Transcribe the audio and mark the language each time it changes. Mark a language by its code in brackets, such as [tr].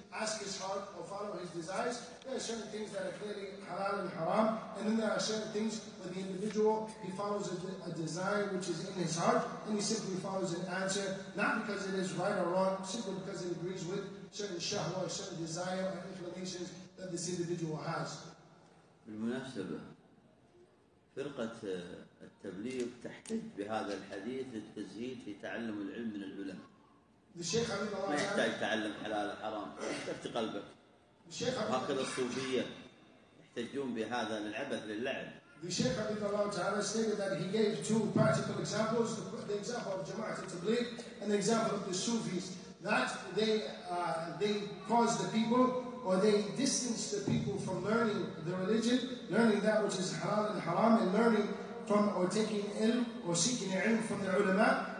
[en] ask his heart or follow his desires. There are certain things that are clearly halal and haram, and then there are certain things where the individual, he follows a desire which is in his heart, and he simply follows an answer, not because it is right or wrong, simply because it agrees with certain shahwa, certain desire or inclinations that this individual has. [ar] فرقة التبليغ تحتج بهذا الحديث للتزهيد في تعلم العلم من العلماء. الشيخ عبد الله ما يحتاج تعلم حلال حرام، تفتي قلبك. الشيخ عبد الله هكذا الصوفية يحتجون بهذا للعبث للعب. [en] الشيخ عبد الله تعالى stated that he gave two practical examples: the example of جماعة التبليغ and the example of the Sufis, that they cause the people or they distance the people from learning the religion, learning that which is halal and haram, and learning from or taking ilm or seeking ilm from the ulama.